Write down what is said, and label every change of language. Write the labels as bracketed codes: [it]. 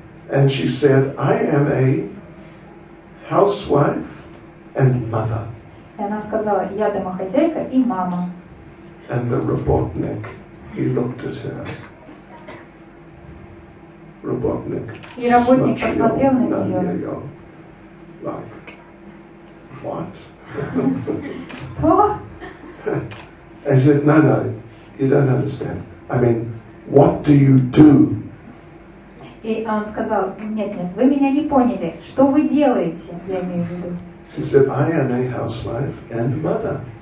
[en] And she said, I am a housewife and mother. [ru] И она сказала, я домохозяйка и мама. [en] And the robotnik, he looked at her. [ru] Robotnik. И работник посмотрел на нее. [en] Like, what? [ru] Что? [en] I said, no, you don't understand. I mean, what do you do? [ru] И он сказал, нет, вы меня не поняли. Что вы делаете, я имею в виду? [en] She said, I am a housewife and mother.